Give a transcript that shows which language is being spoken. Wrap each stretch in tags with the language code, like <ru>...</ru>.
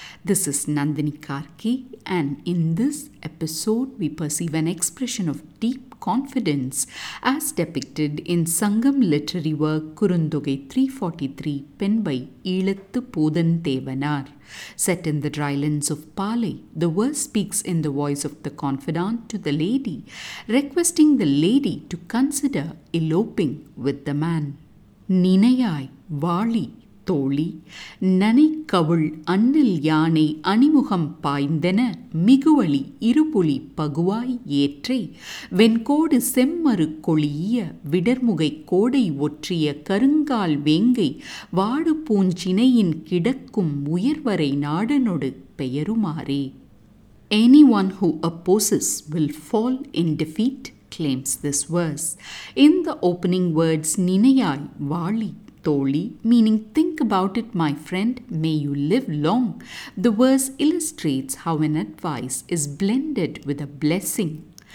<en>This is Nandini Karki, and in this episode we perceive an expression of deep confidence as depicted in Sangam literary work Kurundogai 343 penned by Ilathu Poodan Thevanar. Set in the drylands of Palai, the verse speaks in the voice of the confidant to the lady, requesting the lady to consider eloping with the man.</en> <ta>நினையாய் வாழி தோழி நனை கவுள் அண்ணில் யானை அணிமுகம் பாய்ந்தன மிகுவழி இருபுலி பகுவாய் ஏற்றை வெண்கோடு செம்மறு கொளிய விடர்முகை கோடை ஒற்றிய கருங்கால் வேங்கை வாடு பூஞ்சினையின் கிடக்கும் உயர்வரை நாடனொடு பெயருமாறே.</ta> <en>Anyone who opposes will fall in defeat, claims this verse. In the opening words,</en> <ta>Ninayai Vali Toli,</ta> <en>meaning think about it, my friend, may you live long, the verse illustrates how an advice is blended with a blessing.</en>